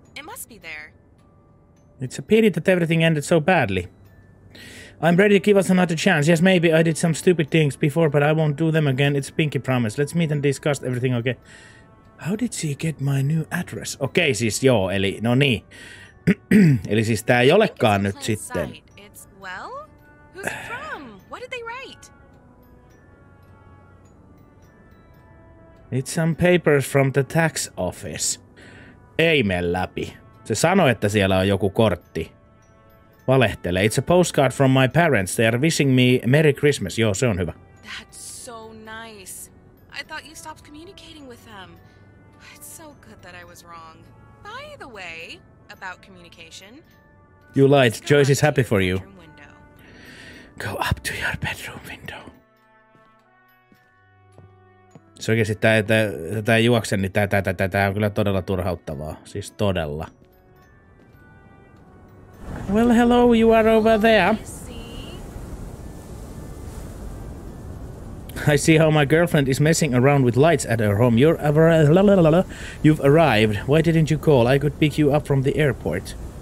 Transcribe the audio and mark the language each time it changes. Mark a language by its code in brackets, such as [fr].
[en] It must be there. It's a pity that everything ended so badly. I'm ready to give us another chance. Yes, maybe I did some stupid things before, but I won't do them again. It's pinky promise. Let's meet and discuss everything, okay? How did she get my new address? [fi] Okei, okay, siis joo, eli no niin. Eli siis tää ei olekaan nyt sitten. [en] It's well? Who's from? What did they write? It's some papers from the tax office. [fi] Ei mene läpi. Se sanoi, että siellä on joku kortti. Valehtele. [en] It's a postcard from my parents. They are wishing me Merry Christmas. [fi] Joo, se on hyvä. [en] That's so nice. I thought you stopped communicating with them. So good that I was wrong. By the way, about communication. You lied. Joyce is happy for you. Go up to your bedroom window. [fi] Se oikeesti tätä ei juokse, niin tätä on kyllä todella turhauttavaa. Siis todella. [en] Well, hello, you are over there. I see how my girlfriend is messing around with lights at her home. You've arrived. Why didn't you call? I could pick you up from the airport.